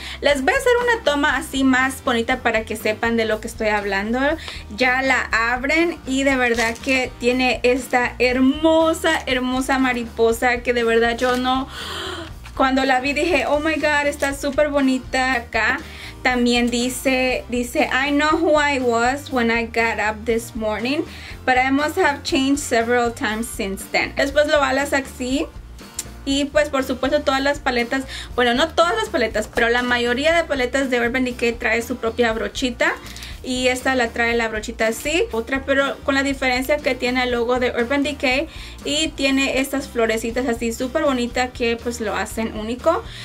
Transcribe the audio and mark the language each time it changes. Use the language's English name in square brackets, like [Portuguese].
[Spanish] Les voy a hacer una toma así más bonita para que sepan de lo que estoy hablando. Ya la abren y de verdad que tiene esta hermosa, hermosa mariposa que de verdad yo no, cuando la vi dije, [English] oh my god, [Spanish] está súper bonita. Acá también dice [English] I know who I was when I got up this morning, but I must have changed several times since then. [Spanish] Después lo alas así. Y pues por supuesto todas las paletas, bueno, no todas las paletas, pero la mayoría de paletas de Urban Decay trae su propia brochita. Y esta la trae la brochita así, otra, pero con la diferencia que tiene el logo de Urban Decay. Y tiene estas florecitas así súper bonitas que pues lo hacen único.